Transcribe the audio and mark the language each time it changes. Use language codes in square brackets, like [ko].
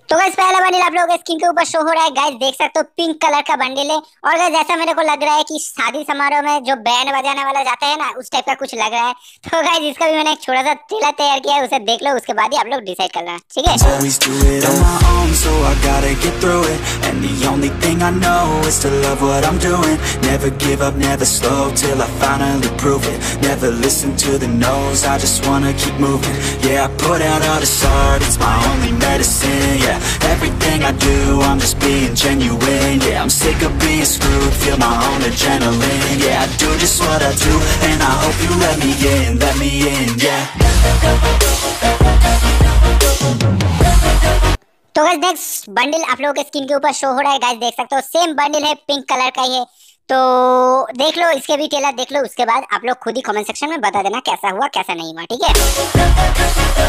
[hi] तो गाइस, पहला बंडल आप लोगों के स्क्रीन के ऊपर शो हो रहा है, गाइस देख सकते हो पिंक कलर का बंडल है। और गाइस, ऐसा मेरे को लग रहा है कि शादी समारोह में जो बैंड बजाने वाला जाता है ना, उस टाइप का कुछ लग रहा है। तो गाइस, इसका भी मैंने एक छोटा सा ट्रेलर तैयार किया है, उसे देख लो, उसके बाद ही आप लोग डिसाइड करना, ठीक है। [en] And the only thing I know is to love what I'm doing. Never give up, never slow till I finally prove it. Never listen to the no's, I just wanna keep moving. Yeah, I put out all this art, it's my only medicine. Yeah, everything I do, I'm just being genuine. Yeah, I'm sick of being screwed, feel my own adrenaline. Yeah, I do just what I do, and I hope you let me in, yeah. [hi] तो guys, next bundle आप लोगों के screen के ऊपर show हो रहा है, guys देख सकते हो सेम बंडल है, पिंक कलर का ही है। तो देख लो, इसके भी टेलर देख लो, उसके बाद आप लोग खुद ही कमेंट सेक्शन में बता देना कैसा हुआ कैसा नहीं हुआ, ठीक है।